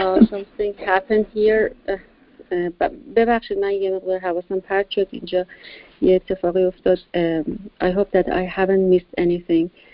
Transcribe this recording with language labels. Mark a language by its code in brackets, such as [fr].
[en] Something happened here. [fa] ببخشید من یه مقدار حواسم پرت شد اینجا. یه اتفاقی افتاد. [en] I hope that I haven't missed anything.